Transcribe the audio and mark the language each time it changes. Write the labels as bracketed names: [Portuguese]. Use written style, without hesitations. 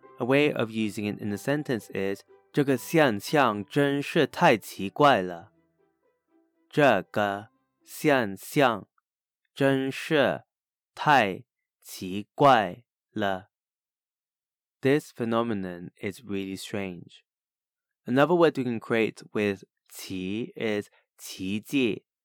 [English] A way of using it in a sentence is [Chinese] 这个现象真是太奇怪了。这个现象真是太奇怪了。 [English] This phenomenon is really strange. Another word we can create with 奇 is 奇迹。